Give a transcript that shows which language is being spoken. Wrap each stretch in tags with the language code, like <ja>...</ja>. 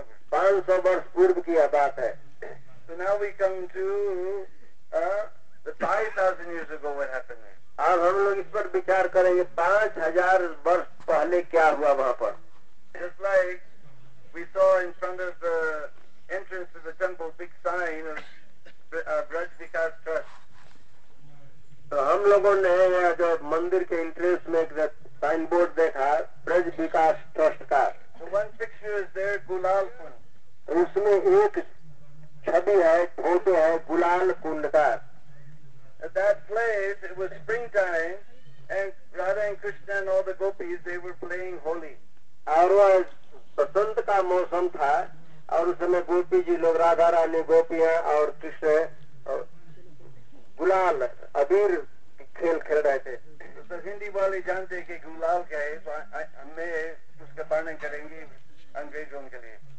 <en>So now we come to the 5,000 years ago what happened there.</en> <hi>आज हम लोग इस पर विचार करेंगे 5,000 वर्ष पहले क्या हुआ वहाँ पर.</hi> <en>Just like we saw in front of the entrance to the temple, big sign of Braj Vikas Trust.</en> <hi>तो हम लोगों ने जो मंदिर के एंट्रेंस में एक साइन बोर्ड देखा ब्रज विकास ट्रस्ट का.</hi> <en>So one picture is there, Gulal Kund.</en> <hi>तो उसमें एक छवि है फोटो है गुलाल कुंड का.</hi> <en>At that place it was springtime and Radha and Krishna and all the gopis they were playing holi.</en> <hi>और वह बसंत का मौसम था और उस समय गोपी जी लोग राधा रानी गोपियां और कृष्ण गुलाल अबीर खेल खेल रहे थे. तो हिंदी वाले जानते हैं कि गुलाल क्या है. हमें उसका वर्णन करेंगे अंग्रेजों के लिए.</hi>